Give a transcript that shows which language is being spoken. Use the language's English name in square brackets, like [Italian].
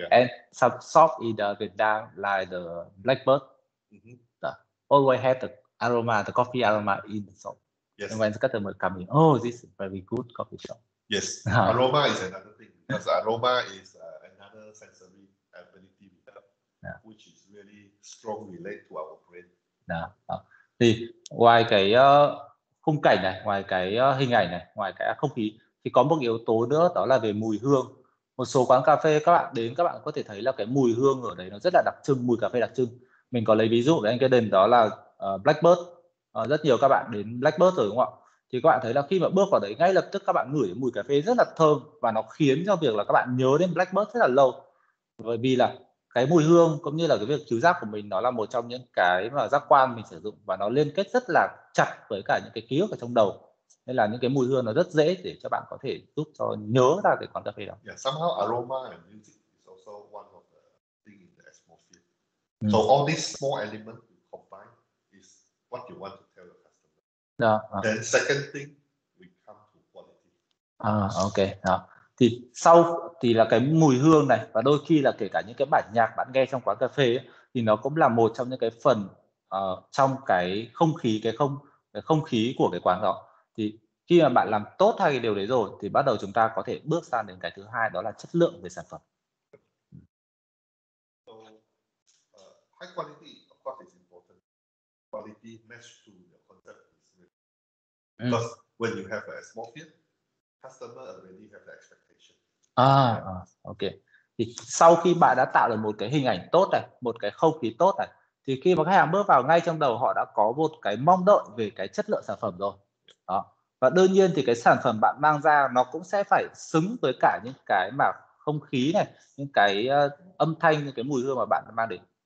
[English] And some shop in Vietnam like the Blackbird, always have the aroma, the coffee aroma in the shop. Yes. And when the customer come in, oh, this is very good coffee shop. Yes, aroma is another thing, because aroma is another sensory ability we have, which is really strong relate to our brain. [Vietnamese] Thì ngoài cái khung cảnh này, ngoài cái hình ảnh này, ngoài cái không khí, thì có một yếu tố nữa, đó là về mùi hương. Một số quán cà phê các bạn đến, các bạn có thể thấy là cái mùi hương ở đấy nó rất là đặc trưng, mùi cà phê đặc trưng. Mình có lấy ví dụ với anh Kevin đó là Blackbird. Rất nhiều các bạn đến Blackbird rồi đúng không ạ? Thì các bạn thấy là khi mà bước vào đấy, ngay lập tức các bạn ngửi mùi cà phê rất là thơm, và nó khiến cho việc là các bạn nhớ đến Blackbird rất là lâu. Bởi vì là cái mùi hương cũng như là cái việc khứu giác của mình, nó là một trong những cái mà giác quan mình sử dụng, và nó liên kết rất là chặt với cả những cái ký ức ở trong đầu. Nên là những cái mùi hương nó rất dễ để cho bạn có thể giúp cho nhớ ra cái quán cà phê đó. [English] Yeah, somehow aroma and music is also one of the things in the atmosphere. So all these small elements you combine is what you want to tell your customer. Then second thing, we come to what Ok. [Vietnamese] Thì sau thì là cái mùi hương này, và đôi khi là kể cả những cái bản nhạc bạn nghe trong quán cà phê ấy, thì nó cũng là một trong những cái phần trong cái không khí của cái quán đó. Thì khi mà bạn làm tốt hai cái điều đấy rồi thì bắt đầu chúng ta có thể bước sang đến cái thứ hai, đó là chất lượng về sản phẩm. [English] High quality, of course, is important. Quality match to your concept. Because when you have a small field, customer already have the expectation. Ok. [Vietnamese] Thì sau khi bạn đã tạo được một cái hình ảnh tốt này, một cái không khí tốt này, thì khi mà khách hàng bước vào, ngay trong đầu họ đã có một cái mong đợi về cái chất lượng sản phẩm rồi. Đó. Và đương nhiên thì cái sản phẩm bạn mang ra nó cũng sẽ phải xứng với cả những cái mà không khí này, những cái âm thanh, những cái mùi hương mà bạn mang đến.